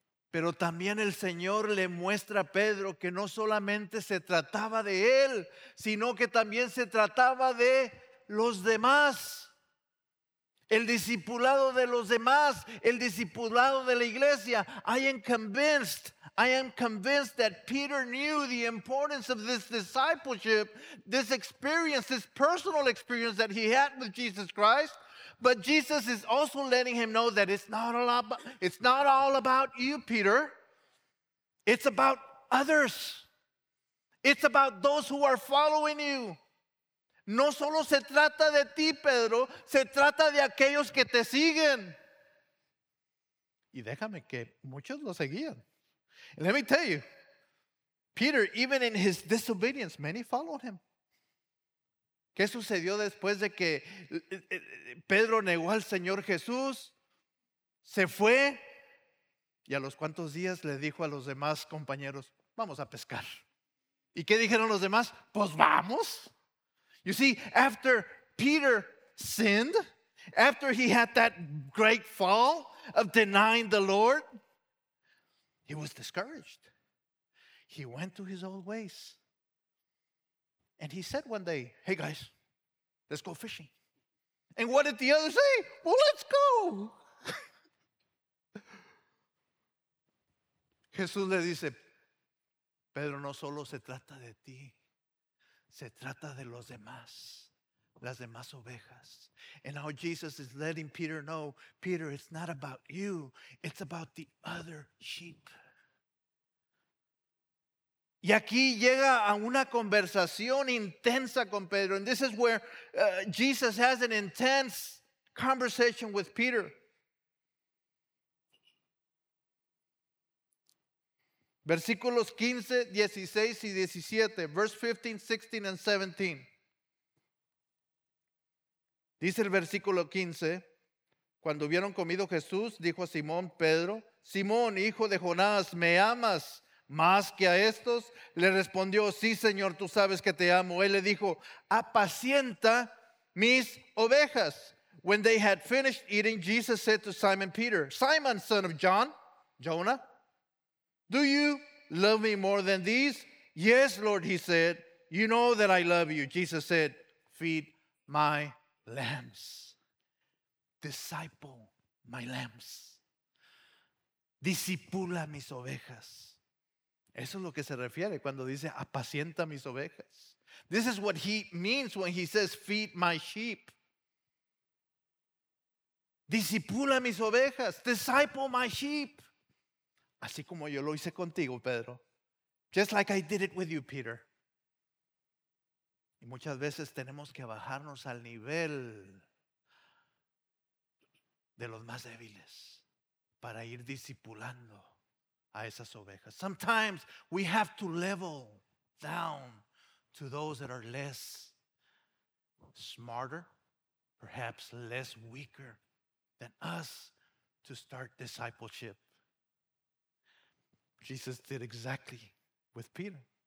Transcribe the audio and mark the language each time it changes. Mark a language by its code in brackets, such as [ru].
[es] Pero también el Señor le muestra a Pedro que no solamente se trataba de él, sino que también se trataba de los demás. El discipulado de los demás, el discipulado de la iglesia. [en] I am convinced that Peter knew the importance of this discipleship, this experience, this personal experience that he had with Jesus Christ, But Jesus is also letting him know that it's not all about you, Peter. It's about others. It's about those who are following you. [es] No solo se trata de ti, Pedro. Se trata de aquellos que te siguen. Y déjame que muchos lo seguían. [en] Let me tell you, Peter, even in his disobedience, many followed him. [es] ¿Qué sucedió después de que Pedro negó al Señor Jesús? Se fue. Y a los cuantos días le dijo a los demás compañeros, vamos a pescar. ¿Y qué dijeron los demás? Pues vamos. [en] You see, after Peter sinned, after he had that great fall of denying the Lord, he was discouraged. He went to his old ways. And he said one day, hey guys, let's go fishing. And what did the others say? Well, let's go. [es] Jesús le dice, Pedro, no solo se trata de ti, se trata de los demás, las demás ovejas. [en] And now Jesus is letting Peter know, Peter, it's not about you, it's about the other sheep. [es] Y aquí llega a una conversación intensa con Pedro. [en] And this is where Jesus has an intense conversation with Peter. [es] Versículos 15, 16 y 17. [en] Verse 15, 16 and 17. [es] Dice el versículo 15. Cuando hubieron comido Jesús, dijo a Simón, Pedro, Simón, hijo de Jonás, ¿me amas más que a estos? Le respondió, sí, Señor, tú sabes que te amo. Él le dijo, apacienta mis ovejas. [en] When they had finished eating, Jesus said to Simon Peter, Simon, son of John, Jonah, do you love me more than these? Yes, Lord, he said. You know that I love you. Jesus said, feed my lambs. Disciple my lambs. [es] Discipula mis ovejas. Eso es lo que se refiere cuando dice apacienta mis ovejas. [en] This is what he means when he says, feed my sheep. [es] Discipula mis ovejas. [en] Disciple my sheep. [es] Así como yo lo hice contigo, Pedro. [en] Just like I did it with you, Peter. [es] Y muchas veces tenemos que bajarnos al nivel de los más débiles para ir discipulando a esas ovejas. [en] Sometimes we have to level down to those that are less smarter, perhaps less weaker than us to start discipleship. Jesus did exactly with Peter.